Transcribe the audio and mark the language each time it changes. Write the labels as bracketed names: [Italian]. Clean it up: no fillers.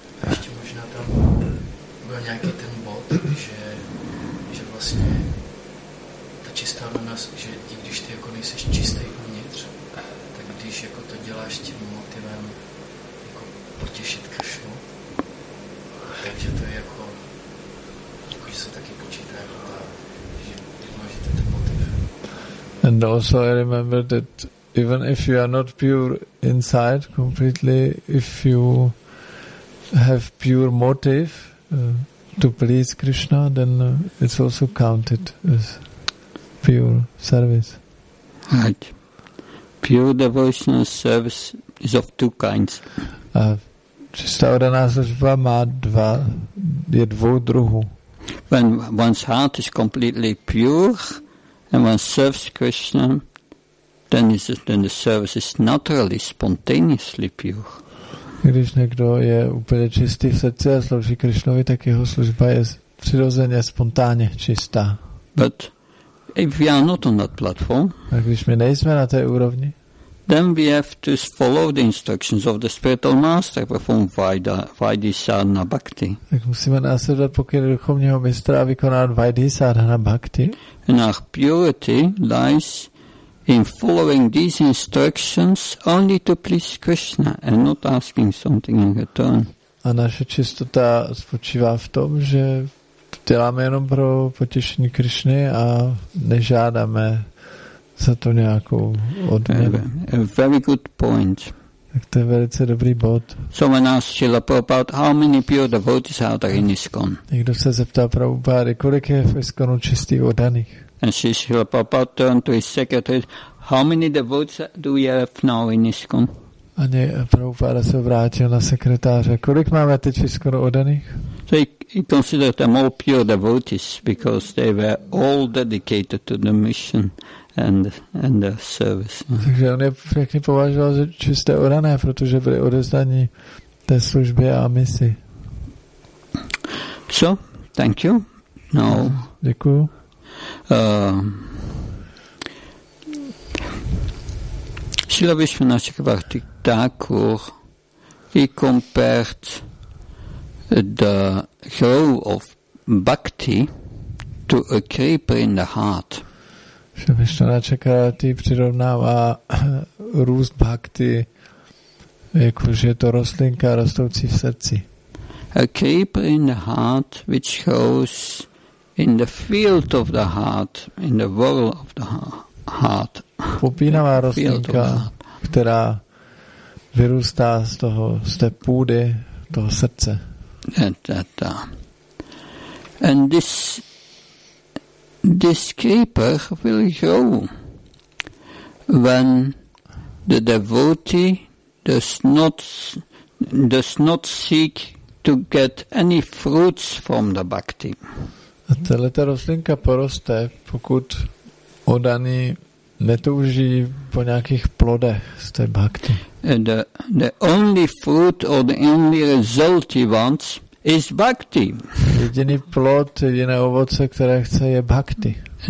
[Czech] Ještě možná tam byl nějaký ten bod, že vlastně ta čistá rovna, že i když ty jako nejseš čistý uvnitř, tak když jako to děláš tím motivem jako potěšit Krišnu, takže to je jako, jako že se taky počítá jako ta, že důležitý ten motiv. [English] And also I remember that even if you are not pure inside completely, if you have pure motive to please Krishna, then it's also counted as pure service. Right. Pure devotional service is of two kinds. [Czech] Čistá oddaná služba má dva, je dvou druhů. [English] When one's heart is completely pure and one serves Krishna, then the service is naturally, spontaneously pure. [Czech] Když někdo je úplně čistý v srdci a slouží Krišnovi, tak jeho služba je přirozeně spontánně čistá. [English] But if we are not on that platform, [Czech] a když my nejsme na té úrovni, [English] then we have to follow the instructions of the spiritual master, perform vaidhi sadhana bhakti. [Czech] Tak musíme následovat pokyny duchovního mistra a vykonat vaidhi sadhana bhakti. [English] And our purity lies in following these instructions only to please Krishna and not asking something in return. [Czech] A naše čistota spočívá v tom, že děláme jenom pro potěšení Krišny a nežádáme za to nějakou odměnu. [English] A very good point. [Czech] Tak to je velice dobrý bod. [English] Someone asked Srila Prabhupada how many pure devotees are there in ISKCON. [Czech] Někdo se zeptal Prabhupada, kolik je v ISKCONu čistých oddaných. [English] And Srila Prabhupada turned to his secretary, how many devotees do we have now in ISKCON? [Czech] A Prabhupada se vrátil na sekretáře, kolik máme teď v ISKCONu oddaných? [English] So he considered them all pure devotees because they were all dedicated to the mission and the service. [Czech] Takže on je všechny považoval za čisté orané, protože byli odezdaní té službě a misi. [English] So, thank you. No. [Czech] Děkuju. [English] Srila Vishwanatha Chakravarti Thakur he compared the grove of bhakti to a creeper in the heart. [Czech] Že Vishwanatha Chakravarti přirovnává růst bhakti jakože je to rostlinka rostoucí v srdci. [English] A creeper in the heart which grows in the field of the heart, in the world of the heart. [Czech] Popínavá rostlinka, která vyrůstá z toho, z té půdy, toho srdce. [English] And this creeper will grow when the devotee does not seek to get any fruits from the bhakti. [Czech] A tahle ta rostlinka poroste, pokud oddaný netouží po nějakých plodech z té bhakti. [English] The only fruit or the only result he wants is bhakti. [Czech] Jediný plod, jediné ovoce, které chce, je bhakti.